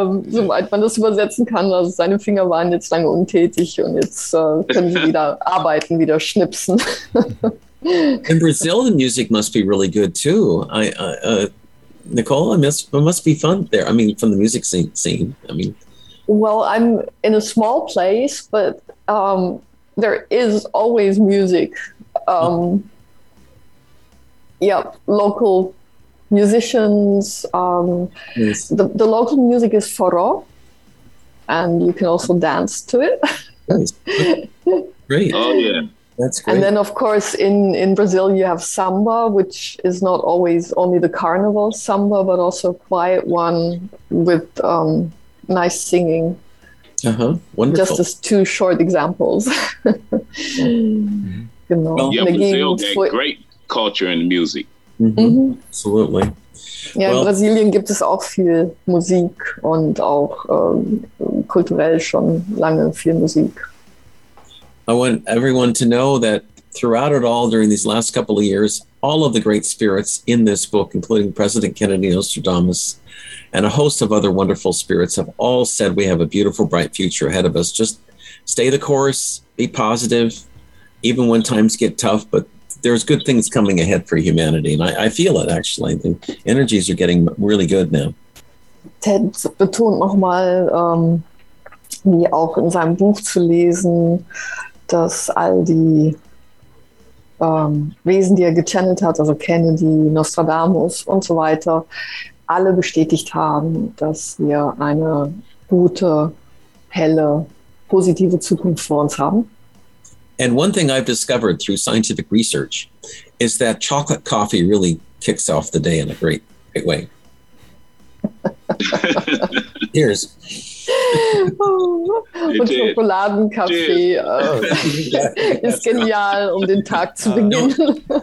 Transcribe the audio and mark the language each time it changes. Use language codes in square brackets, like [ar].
[de] Soweit man das übersetzen kann, also seine Finger waren jetzt lange untätig und jetzt können sie wieder arbeiten, wieder schnipsen. [en] In Brazil, the music must be really good too. Nicole, it must be fun there. I mean, from the music scene. I mean. Well, I'm in a small place, but there is always music. Local musicians. Yes. The local music is foro, and you can also dance to it. Great. Oh, yeah. That's great. And then, of course, in Brazil, you have samba, which is not always only the carnival samba, but also a quiet one with nice singing. Uh-huh. Wonderful. Just as two short examples. Mm-hmm. You know, well, yeah, Brazil had great culture and music. Mm-hmm. Mm-hmm. Absolutely. [de] Ja, well, in Brasilien gibt es auch viel Musik und auch kulturell schon lange viel Musik. [en] I want everyone to know that throughout it all, during these last couple of years, all of the great spirits in this book, including President Kennedy Nostradamus and a host of other wonderful spirits, have all said we have a beautiful, bright future ahead of us. Just stay the course, be positive, even when times get tough, but there's good things coming ahead for humanity. And I feel it, actually. The energies are getting really good now. [de] Ted betont nochmal, wie auch in seinem Buch zu lesen, dass all die Wesen, die gechannelt hat, also Kennedy, Nostradamus und so weiter, alle bestätigt haben, dass wir eine gute, helle, positive Zukunft vor uns haben. [en] And one thing I've discovered through scientific research is that chocolate coffee really kicks off the day in a great, great way. Cheers. [de] Und Schokoladenkaffee ist genial, um den Tag zu beginnen.